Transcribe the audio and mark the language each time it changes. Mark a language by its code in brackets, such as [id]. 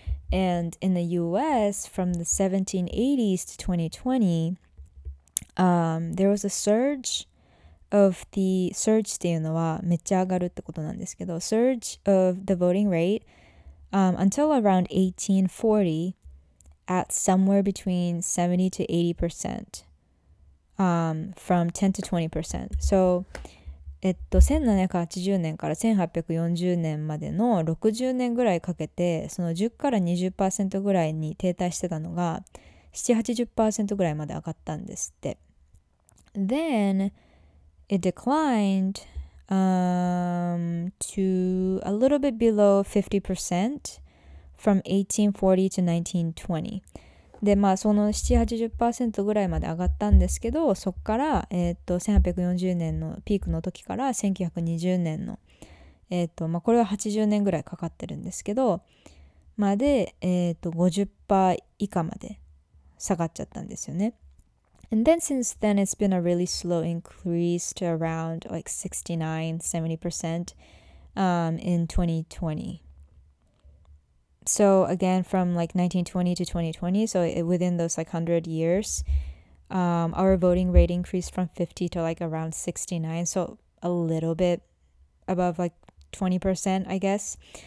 [en] And in the US, from the 1780s to 2020, there was a surge of the, surge [ja] っていうのはめっちゃ上がるってことなんですけど、 [en] surge of the voting rate, until around 1840, at somewhere between 70 to 80%. From 10 to 20%. [ja] So, 1780年から1840年までの60年ぐらいかけて、その10から 20% ぐらいに停滞してたのが、7、80% ぐらいまで上がったんですって。 [en] Then, it declined, to a little bit below 50% from 1840 to 1920. [ja] で、まあ、その 70-80% ぐらいまで上がったんですけど、そこから、1840年のピークの時から1920年の、まあ、これは80年ぐらいかかってるんですけど、まで、50% 以下まで下がっちゃったんですよね。 [en] And then since then, it's been a really slow increase to around like 69-70%, in 2020. So again, from like 1920 to 2020, so it, within those like 100 years, our voting rate increased from 50 to like around 69, so a little bit above like 20%, I guess.